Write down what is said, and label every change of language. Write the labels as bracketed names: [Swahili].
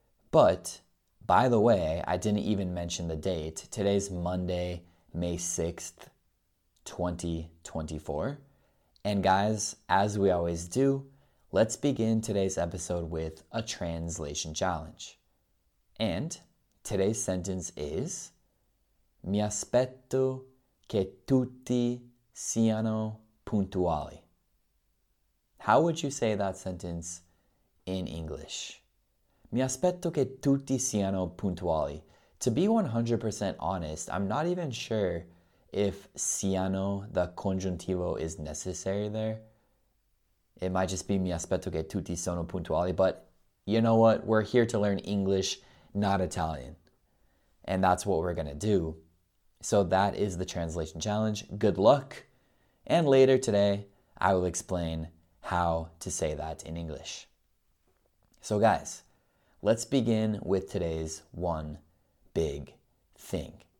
[English] But by the way, I didn't even mention the date. Today's Monday, May 6th, 2024. And guys, as we always do, let's begin today's episode with a translation challenge. And today's sentence is, [Italian] mi aspetto che tutti siano puntuali. [English] How would you say that sentence in English? [Italian] Mi aspetto che tutti siano puntuali. [English] To be 100% honest, I'm not even sure if siano, the congiuntivo, is necessary there. It might just be [Italian] mi aspetto che tutti siano puntuali, [English] but you know what? We're here to learn English, not Italian. And that's what we're going to do. So that is the translation challenge. Good luck. And later today, I will explain how to say that in English. So guys, let's begin with today's one big thing.